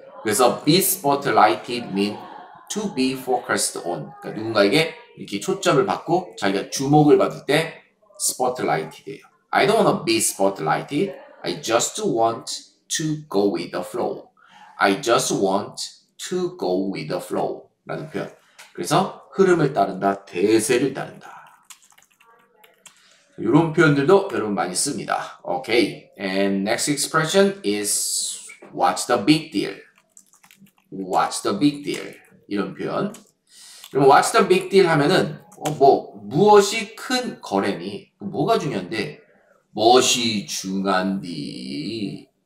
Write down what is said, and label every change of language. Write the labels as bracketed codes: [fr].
[en] 그래서 be spotlighted means to be focused on. [ko] 그러니까 누군가에게 이렇게 초점을 받고 자기가 주목을 받을 때 spotlighted 돼요. [en] I don't want to be spotlighted. I just want to go with the flow. I just want to go with the flow. [ko] 라는 표현. 그래서 흐름을 따른다, 대세를 따른다. 이런 표현들도 여러분 많이 씁니다. [en] Okay. And next expression is what's the big deal? What's the big deal? [ko] 이런 표현. 그럼 [en] what's the big deal [ko] 하면은 무엇이 큰 거래니? 뭐가 중요한데? 무엇이 중요한디?